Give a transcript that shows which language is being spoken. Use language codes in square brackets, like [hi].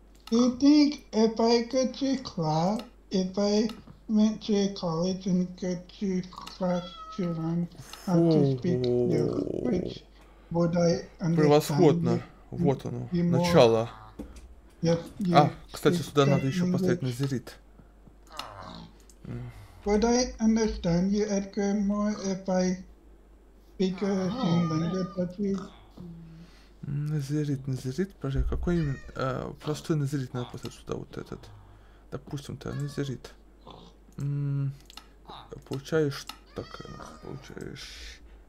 [en] Do you think if I go to class, if I went to college and go to class to learn how to speak English, would I understand? [ru] Превосходно. Вот оно. Начало. А, кстати, сюда надо еще поставить назерит. [en] Would I understand you, Edgar, more if I speak a same language but you? [ru] Назерит, пожалуй, какой именно? Простой назерит надо поставить сюда, вот этот. Допустим-то, назерит. Получаешь... Так, получаешь...